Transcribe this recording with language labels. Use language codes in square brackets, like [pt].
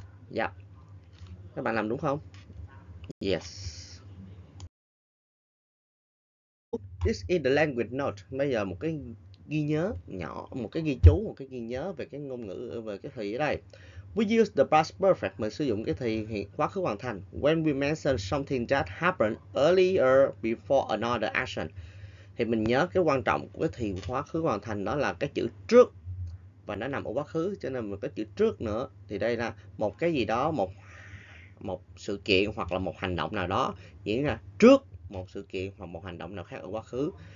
[vi] Dạ. Các bạn làm đúng không? Yes. [en] This is the language note. [vi] Bây giờ một cái ghi nhớ nhỏ, một cái ghi chú, một cái ghi nhớ về cái ngôn ngữ, về cái thì ở đây. [en] We use the past perfect. [vi] Mình sử dụng cái thì hiện quá khứ hoàn thành. [en] When we mention something that happened earlier before another action. [vi] Thì mình nhớ cái quan trọng của cái thì quá khứ hoàn thành đó là cái chữ trước. Và nó nằm ở quá khứ cho nên mình có chữ trước nữa thì đây là một cái gì đó, một một sự kiện hoặc là một hành động nào đó diễn ra trước một sự kiện hoặc một hành động nào khác ở quá khứ.